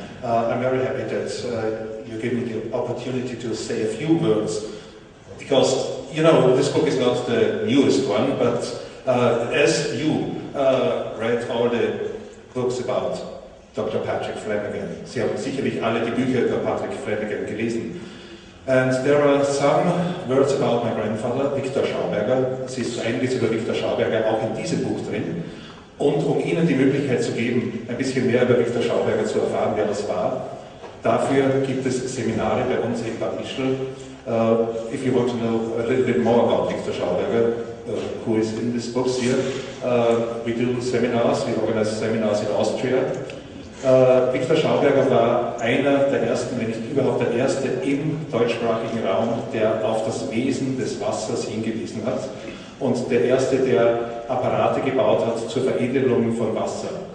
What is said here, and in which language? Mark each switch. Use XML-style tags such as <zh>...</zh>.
<en>I'm very happy that you gave me the opportunity to say a few words, because, you know, this book is not the newest one, but as you read all the books about Dr.</en> <de>Patrick Flanagan, Sie haben sicherlich alle die Bücher über Patrick Flanagan gelesen.</de> <en>And there are some words about my grandfather, Victor Schauberger.</en> <de>Es ist einiges über Victor Schauberger auch in diesem Buch drin. Und um Ihnen die Möglichkeit zu geben, ein bisschen mehr über Victor Schauberger zu erfahren, wer das war, dafür gibt es Seminare bei uns in Bad Ischl.</de> <en>If you want to know a little bit more about Victor Schauberger, who is in this book here, we do seminars, we organize seminars in Austria.</en> <de>Victor Schauberger war einer der ersten, wenn nicht überhaupt der erste im deutschsprachigen Raum, der auf das Wesen des Wassers hingewiesen hat und der erste, der Apparate gebaut hat zur Veredelung von Wasser.</de>